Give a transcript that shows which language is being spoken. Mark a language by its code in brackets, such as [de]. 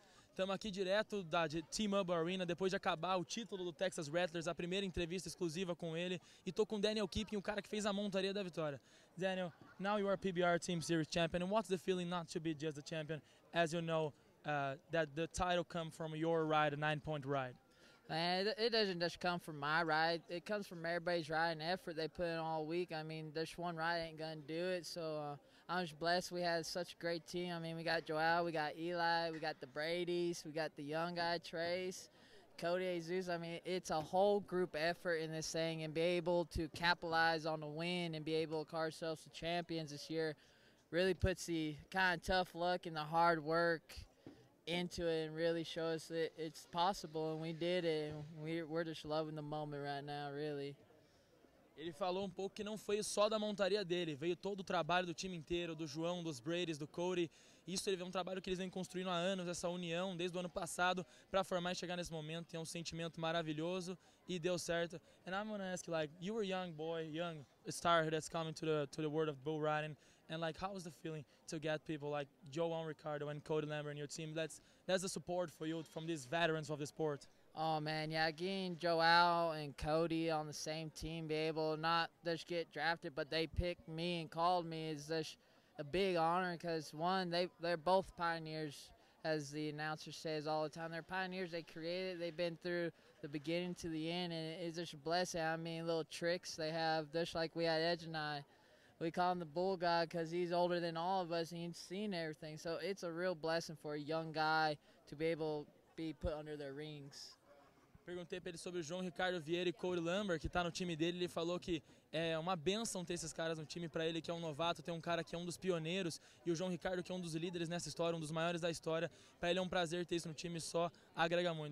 [pt] Estamos aqui direto da T-Mobile Arena, depois de acabar o título do Texas Rattlers, a primeira entrevista exclusiva com ele. E tô com Daniel Keeping, o cara que fez a montaria da vitória. [en] Daniel, now you are PBR Teams Series champion. What's the feeling not to be just a champion, as you know, that the title come from your ride, a 9-point ride? It doesn't just come from my ride. It comes from everybody's ride and effort they put in all week. I mean, just one ride ain't gonna do it. So I'm just blessed we had such a great team. I mean, we got Joel, we got Eli, we got the Bradys, we got the young guy, Trace, Cody, Jesus. I mean, it's a whole group effort in this thing, and be able to capitalize on the win and be able to call ourselves the champions this year really puts the kind of tough luck and the hard work into it and really show us that it's possible, and we did it, and we're just loving the moment right now, really. [pt] Ele falou um pouco que não foi só da montaria dele, veio todo o trabalho do time inteiro, do João, dos Bradys, do Cody. Isso ele vê um trabalho que eles vêm construindo há anos, essa união desde o ano passado para formar e chegar nesse momento. Tem um sentimento maravilhoso e deu certo. [en] And I'm gonna ask you, like, you were a young boy, young star that's coming to the world of bull riding, and like, how was the feeling to get people like João Ricardo and Cody Lambert in your team? That's the support for you from these veterans of the sport. Oh man, yeah, getting Joel and Cody on the same team, be able to not just get drafted, but they picked me and called me, is just a big honor, because one, they're both pioneers, as the announcer says all the time. They're pioneers, they created, they've been through the beginning to the end, and it's just a blessing. I mean, little tricks they have, just like we had Edge and I. We call him the bull guy because he's older than all of us, and he's seen everything. So it's a real blessing for a young guy to be able be put under their rings. [pt] Perguntei para ele sobre o João Ricardo Vieira e Cody Lambert, que está no time dele. Ele falou que é uma benção ter esses caras no time, para ele que é um novato, ter um cara que é um dos pioneiros, e o João Ricardo que é um dos líderes nessa história, um dos maiores da história. Para ele é um prazer ter isso no time, só agrega muito.